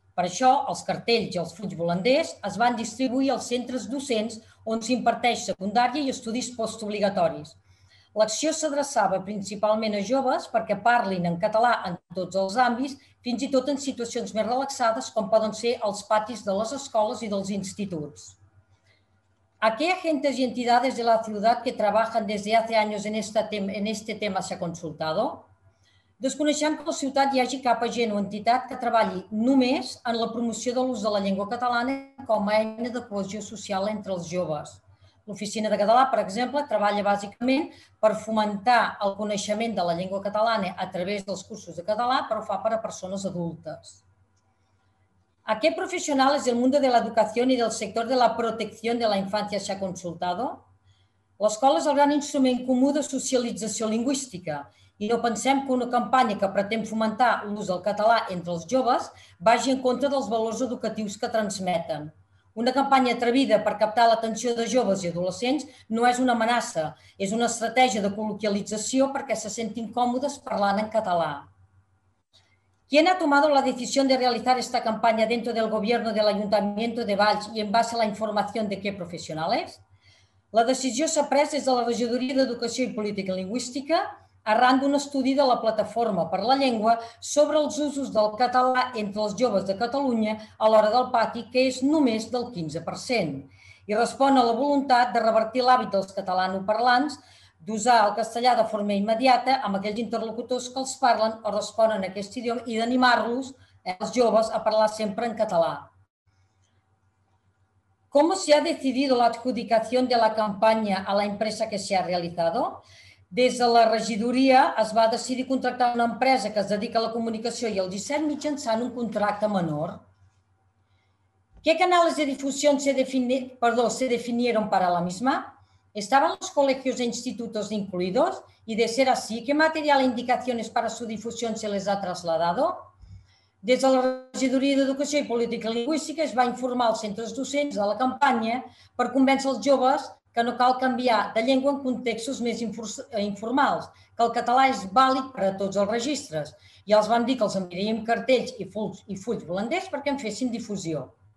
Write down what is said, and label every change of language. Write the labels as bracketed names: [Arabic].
[Catalan] Per això, els cartells i els fulls volanders es van distribuir als centres docents on s'imparteix secundària i estudis postobligatoris. L'acció s'adreçava principalment a joves perquè parlin en català en tots els àmbits, fins i tot en situacions més relaxades com poden ser els patis de les escoles i dels instituts. [Spanish] ¿qué agentes y entidades de la ciudad que trabajan desde hace años en, este tema se ha consultado? [Catalan] Desconeixem que a la ciutat hi hagi cap agent o entitat que treballi només en la promoció de l'ús de la llengua catalana com a eina de cohesió social entre els joves. L'Oficina de Català, per exemple, treballa bàsicament per fomentar el coneixement de la llengua catalana a través dels cursos de català, però ho fa per a persones adultes. [Spanish] ¿Qué profesionales del mundo de la educación y del sector de la protección de la infancia se ha consultado? [Catalan] L'escola és el gran instrument comú de socialització lingüística i no pensem que una campanya que pretén fomentar l'ús del català entre els joves vagi en contra dels valors educatius que transmeten. Una campanya atrevida per captar l'atenció de joves i adolescents no és una amenaça, és una estratègia de col·loquialització perquè se sentin còmodes parlant en català. [Spanish] ¿Quién ha tomado la decisión de realizar esta campaña dentro del gobierno del Ayuntamiento de Valls y en base a la información de qué profesionales? [Catalan] La decisió s'ha pres des de la Regidoria d'Educació i Política Lingüística arran d'un estudi de la Plataforma per la Llengua sobre els usos del català entre els joves de Catalunya a l'hora del pati, que és només del 15%, i respon a la voluntat de revertir l'hàbit dels catalanoparlants d'usar el castellà de forma immediata amb aquells interlocutors que els parlen o responen a aquest idioma i d'animar-los, els joves, a parlar sempre en català. [Spanish] ¿Cómo se ha decidido la adjudicación de la campaña a la empresa que se ha realizado? [Catalan] Des de la regidoria es va decidir contractar una empresa que es dedica a la comunicació i al disseny mitjançant un contracte menor. [Spanish] ¿Qué canales de difusión se definieron para la misma? ¿Estaban los colegios e institutos incluidos? Y de ser así, ¿qué material e indicaciones para su difusión se les ha trasladado? [Catalan] Des de la Regidoria d'Educació i Política Lingüística es va informar als centres docents de la campanya per convèncer els joves que no cal canviar de llengua en contextos més informals, que el català és vàlid per a tots els registres. I els van dir que els enviaríem cartells i fulls blanders perquè en fessin difusió.